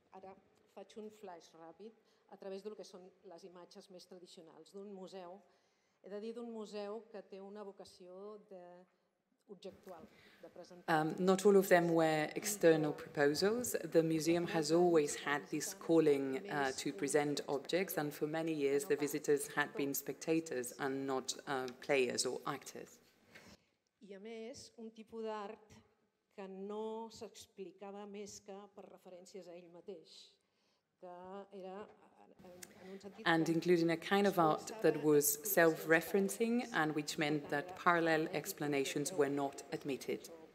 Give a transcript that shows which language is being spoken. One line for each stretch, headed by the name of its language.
Catalan: Ara faig un flash ràpid a través del que són les imatges més tradicionals d'un museu. He de dir d'un museu que té una vocació d'objectual.
English: Not all of them were external proposals. The museum has always had this calling to present objects, and for many years the visitors had been spectators and not players or actors.
Catalan: I a més, un tipus d'art que no s'explicava més que per referències a ell mateix, que era en un sentit...
English: And including a kind of art that was self-referencing and which meant that parallel explanations were not admitted.